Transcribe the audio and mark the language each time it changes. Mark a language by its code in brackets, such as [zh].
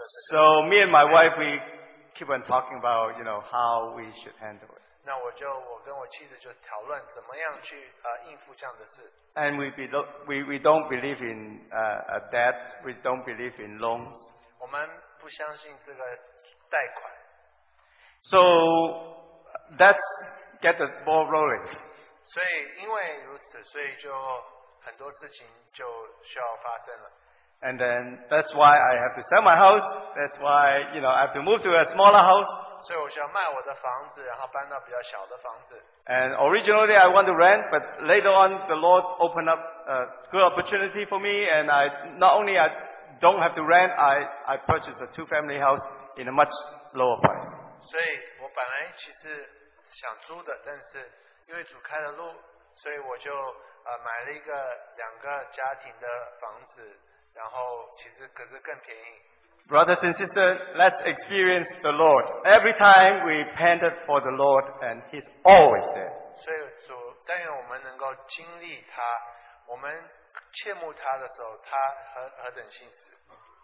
[en] So me and my wife, we keep on talking about, you know, how we should handle it. [zh] 那我跟我妻子就讨论怎么样去 应付 这样的事。 [en] And we don't believe in a debt, we don't believe in loans. [zh] 我们不相信这个贷款。 [en] So that's get the ball rolling. [zh] 所以因为如此, 所以就很多事情就需要发生了。 [en] And then that's why I have to sell my house. That's why, you know, I have to move to a smaller house. [zh] 所以我需要卖我的房子, [en] and originally I want to rent, but later on the Lord opened up a good opportunity for me, and I not only I don't have to rent, I purchased a two family house in a much lower price. [zh] 所以我本来其实想租的, 但是因为主开了路, 所以我就, 买了一个两个家庭的房子。然后其实可是更便宜。 [en] Brothers and sisters, let's experience the Lord. Every time we panted for the Lord, and He's always there. [zh] 所以主，但愿我们能够经历他， 我们切慕他的时候， 他何等信实。